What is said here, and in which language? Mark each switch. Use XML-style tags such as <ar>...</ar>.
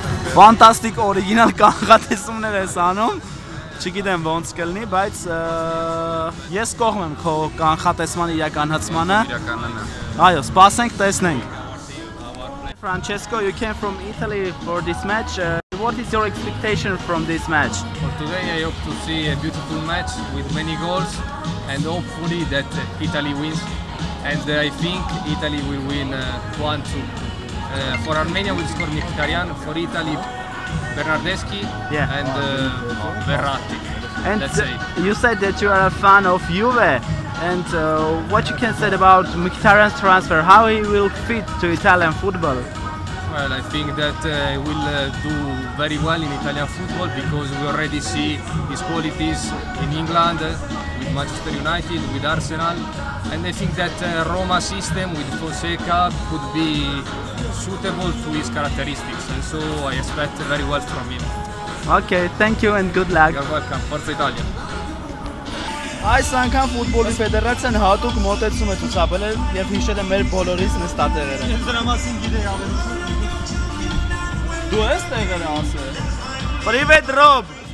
<hy>Ֆանտաստիկ օրիգինալ կանխատեսումներ ես անում։ Չգիտեմ ոնց կլինի, բայց ես կողմ եմ քո կանխատեսման իրականացմանը։ Այո, սպասենք, տեսնենք։</hy> <en>Francesco, you came from Italy for this match. What is your expectation from this match? For today I hope to see a beautiful match with many goals and hopefully that Italy wins. And I think Italy will win 1-2. For Armenia will score Mkhitaryan, for Italy Bernardeschi, yeah, and Verratti. And you said that you are a fan of Juve. And what you can say about Mkhitaryan's transfer, how he will fit to Italian football? Well, I think that he will do very well in Italian football because we already see his qualities in England with Manchester United, with Arsenal. And I think that Roma system with Fonseca could be suitable to his characteristics. And so I expect very well from him. Okay, thank you and good luck. You're welcome.</en> <it>Forza Italia.</it> <hy>Այս անգամ ֆուտբոլի ֆեդերացիան հատուկ մոտեցում է ցուցաբերել եւ հիշել է մեր բոլորիս նստատերը։ Ես դրա մասին գիտեի ավելի։ Դու ես տեղը ասել։ Պրիվետ, Ռոբ։</hy>